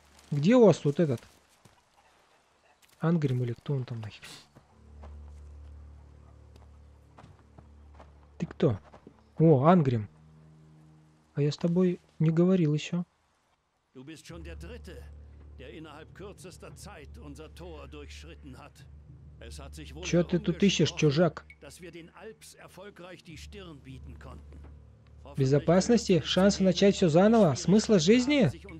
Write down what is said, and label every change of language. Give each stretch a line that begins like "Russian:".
Russian: Где у вас вот этот? Ангрим или кто он там нахер? Ты кто? О, Ангрим. А я с тобой не говорил еще.
German: Du bist schon der Dritte, der innerhalb kürzester Zeit unser Tor durchschritten hat. Es hat sich wohl
Russian: Чё ты тут ищешь, чужак?
German: Dass wir den Alps erfolgreich die Stirn bieten konnten.
Russian: Безопасности? Шансы начать все заново? Смысла жизни?